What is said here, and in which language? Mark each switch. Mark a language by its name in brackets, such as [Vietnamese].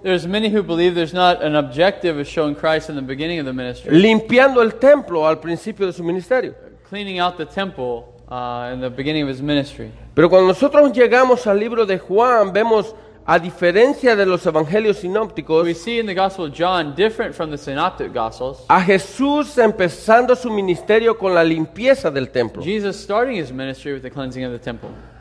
[English] There's many who believe there's not an objective of showing Christ in the beginning of the ministry. [Spanish] Limpiando el templo al principio de su ministerio. [English] Cleaning out the temple in the beginning of his ministry. [Spanish] Pero cuando nosotros llegamos al libro de Juan, vemos, a diferencia de los evangelios sinópticos, [English] we see in the Gospel of John, different from the synoptic gospels, [Spanish] a Jesús empezando su ministerio con la limpieza del templo. [English] Jesus starting his ministry with the cleansing of the temple.